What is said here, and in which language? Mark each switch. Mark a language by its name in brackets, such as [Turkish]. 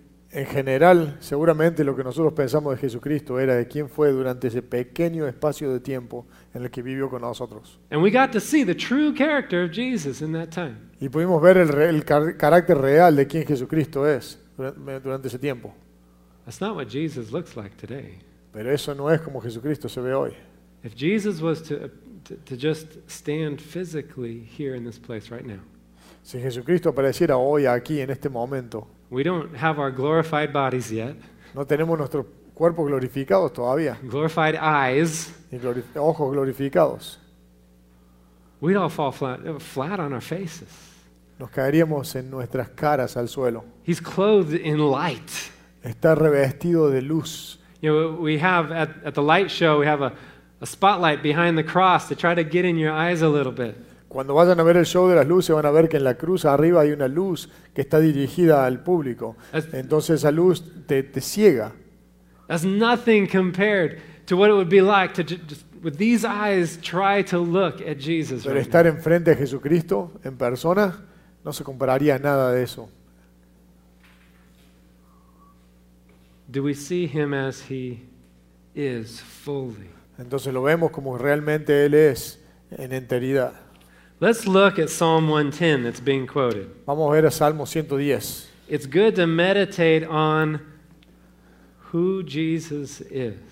[Spanish] En general, seguramente lo que nosotros pensamos de Jesucristo era de quién fue durante ese pequeño espacio de tiempo en el que vivió con nosotros. [English] And we got to see the true character of Jesus in that time. [Spanish] Y pudimos ver el carácter real de quién Jesucristo es durante ese tiempo. [English] That's not what Jesus looks like today. [Spanish] Pero eso no es como Jesucristo se ve hoy. [English] If Jesus was to just stand physically here in this place right now. [Spanish] Si Jesucristo apareciera hoy aquí en este momento. [English] We don't have our glorified bodies yet. [Spanish] No tenemos nuestros cuerpos glorificados todavía. [English] Glorified eyes. [Spanish] Ojos glorificados. [English] We'd all fall flat on our faces. [Spanish] Nos caeríamos en nuestras caras al suelo. [English] He's clothed in light. [Spanish] Está revestido de luz. [English] You know, we have at the light show, we have a spotlight behind the cross to try to get in your eyes a little bit. [Spanish] Cuando vayan a ver el show de las luces, van a ver que en la cruz arriba hay una luz que está dirigida al público. Entonces esa luz te ciega. [English] That's nothing compared to what it would be like to just with these eyes try to look at Jesus. [Spanish] Pero estar enfrente a Jesucristo en persona no se compararía a nada de eso. [English] Do we see him as he is fully? [Spanish] Entonces lo vemos como realmente él es en enteridad. [English] Let's look at Psalm 110 that's being quoted. [Spanish] Vamos a ver a Salmo 110. [English] It's good to meditate on who Jesus is.